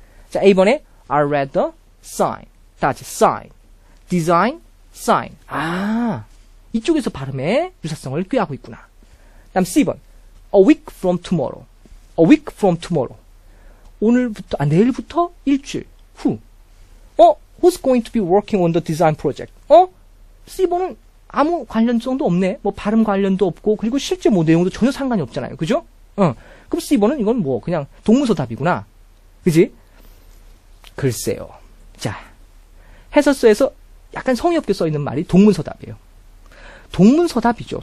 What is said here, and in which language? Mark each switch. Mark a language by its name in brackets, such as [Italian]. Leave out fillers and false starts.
[Korean] 자, A번에 [English] I read the sign. [Korean] 다 같이 [English] sign. Design. Sign. [Korean] 아, 이쪽에서 발음의 유사성을 꾀하고 있구나. 다음 C번. [English] A week from tomorrow. A week from tomorrow. [Korean] 오늘부터, 내일부터 일주일 후. [English] who's going to be working on the design project? [Korean] 3번은 아무 관련성도 없네. 뭐 발음 관련도 없고 그리고 실제 뭐 내용도 전혀 상관이 없잖아요. 그죠? 그럼 C번은 이건 뭐 그냥 동문서 답이구나. 그지? 글쎄요. 자, 해설서에서 약간 성의 없게 써있는 말이 동문서 답이에요. 동문서 답이죠.